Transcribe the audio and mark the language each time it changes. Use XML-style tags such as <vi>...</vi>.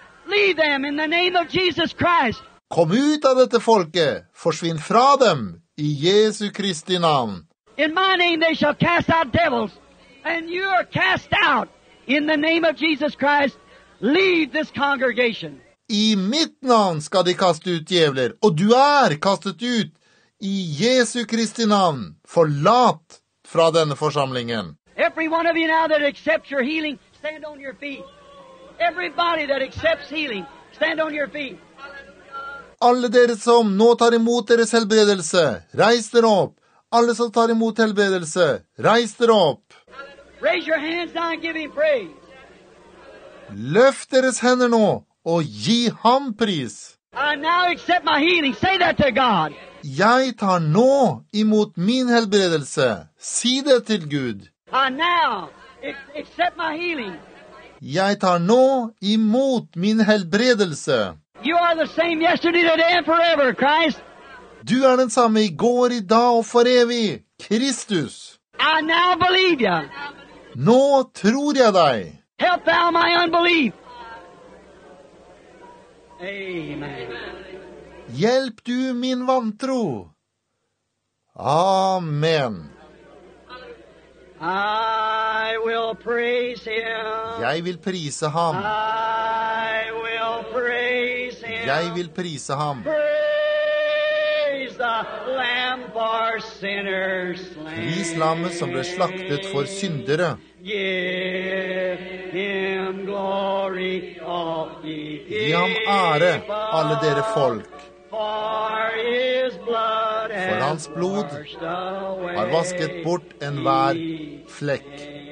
<en>Leave them in the name of Jesus Christ.</en> <no>Kom ut av dette folket. Forsvinn fra dem i Jesu Kristi navn.</no> <en>In my name they shall cast out devils, and you are cast out in the name of Jesus Christ. Leave this congregation.</en> <no>I mitt navn skal de kaste ut djevler, og du kastet ut. I Jesu Kristi navn, forlat fra denne forsamlingen.</no> <en>Every one of you now that accepts your healing, stand on your feet. Everybody that accepts healing, stand on your feet.</en> <no>Alle dere som nå tar imot deres helbredelse, reis dere opp. Alle som tar imot helbredelse, reis dere opp.</no> <en>Raise your hands now and give him praise.</en> <no>Løft deres hender nå og gi ham pris.</no> <en>I now accept my healing. Say that to God.</en> <no>Jeg tar nå imot min helbredelse. Si det til Gud.</no> <en>I now accept my healing.</en> <no>Jeg tar nå imot min helbredelse.</no> <en>You are the same yesterday, today and forever, Christ.</en> <no>Du den samme i går, i dag og for evig, Kristus.</no> <en>I now believe you.</en> <no>Nå tror jeg deg.</no> <en>Help thou my unbelief. Amen.</en> <no>Hjelp du min vantro. Amen.</no> <en>I will praise him.</en> <no>Jeg vil prise ham.</no> <en>I will praise him.</en> <no>Jeg vil prise ham.</no> <en>Praise the lamb for sinners slain.</en> <no>Pris lammet som ble slaktet for syndere.</no> <en>Give him glory, all ye people.</en> <no>Gi ham ære, alle dere folk. For hans blod har vasket bort enhver flekk.</no>